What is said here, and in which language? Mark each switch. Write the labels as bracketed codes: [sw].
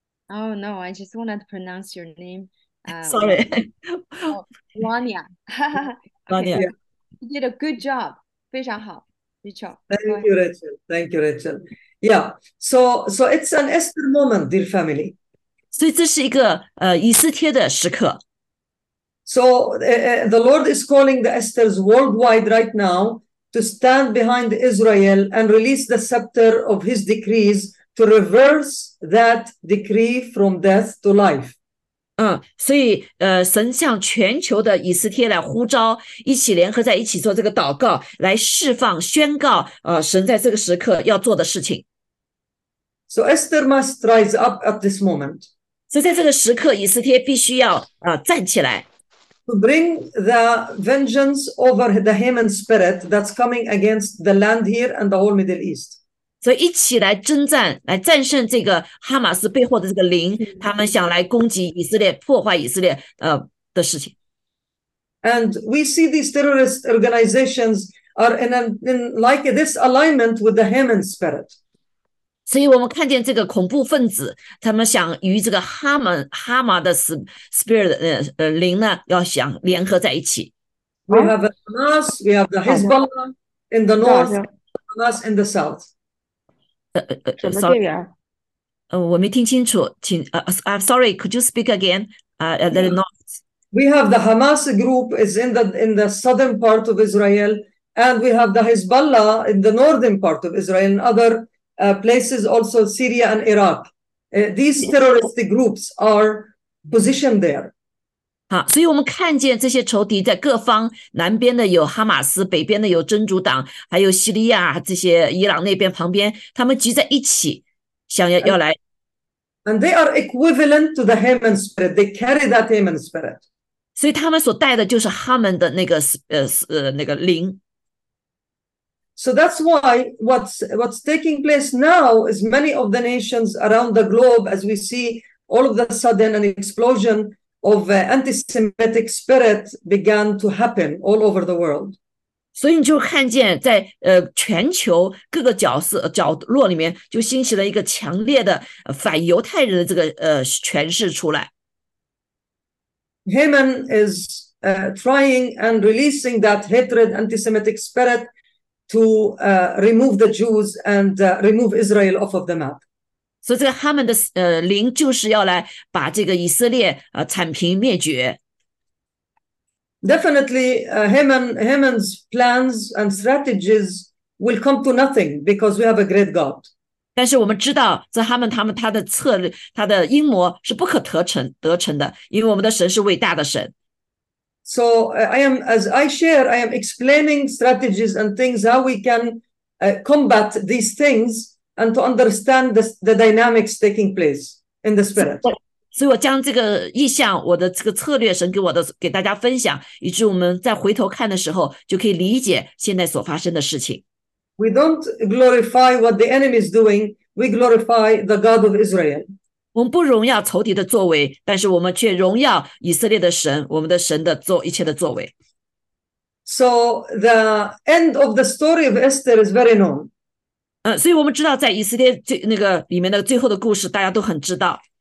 [en] Oh, no, I just wanted to pronounce your name. Sorry. Rania. Rania. You did a good job. [zh] 非常好 [en] Rachel. Thank you, Rachel. Yeah, so it's an Esther moment, dear family. [zh] 所以这是一个以斯帖的时刻。 [en] So the Lord is calling the Esthers worldwide right now. To stand behind Israel and release the scepter of his decrees to reverse that decree from death to life. [zh] 所以神向全球的以斯帖来呼召，一起联合在一起做这个祷告，来释放宣告神在这个时刻要做的事情。 [en] So Esther must rise up at this moment. [zh] 所以在这个时刻，以斯帖必须要站起来。 [en] To bring the vengeance over the Haman spirit that's coming against the land here and the whole Middle East. So, [zh] 一起来征战，来战胜这个哈马斯背后的这个灵，他们想来攻击以色列，破坏以色列的事情。 [en] And we see these terrorist organizations are in like this alignment with the Haman spirit. [zh] 所以我们看见这个恐怖分子，他们想与这个哈马的 spirit 灵呢，要想联合在一起。 [en] We have Hamas, we have the Hezbollah in the north, Hamas in the south. [zh] 什么队员？我没听清楚，请 [en] I'm sorry, could you speak again? The north. We have the Hamas group is in the southern part of Israel, and we have the Hezbollah in the northern part of Israel, and other. Places also Syria and Iraq. These terrorist groups are positioned there. [zh] 好，所以我们看见这些仇敌在各方，南边的有哈马斯，北边的有真主党，还有叙利亚这些伊朗那边旁边，他们聚在一起，想要来。 [en] And they are equivalent to the Haman spirit. They carry that Haman spirit. [zh] 所以他们所带的就是哈门的那个灵。 [en] So that's why what's taking place now is many of the nations around the globe, as we see all of the sudden an explosion of anti-Semitic spirit began to happen all over the world. [zh] 所以你就看见在全球各个角落里面就兴起了一个强烈的反犹太人的这个权势出来。 [en] Haman is trying and releasing that hatred anti-Semitic spirit. to remove the Jews and remove Israel off of the map. So this Haman's spirit is to bring this Israel extermination. Definitely, Haman's plans and strategies will come to nothing because we have a great God. [zh] 但是我们知道，这他们他的策略，他的阴谋是不可得逞的，因为我们的神是伟大的神。 [en] So I am, as I share, I am explaining strategies and things how we can combat these things and to understand the dynamics taking place in the spirit. [zh] 所以我将这个意向，我的这个策略，神给我的给大家分享，以致我们在回头看的时候，就可以理解现在所发生的事情。 [en] We don't glorify what the enemy is doing. We glorify the God of Israel. [zh] 我们不荣耀仇敌的作为，但是我们却荣耀以色列的神，我们的神的做一切的作为。 [en] So the end of the story of Esther is very known. [zh] 所以我们知道，在以色列最那个里面的最后的故事，大家都很知道。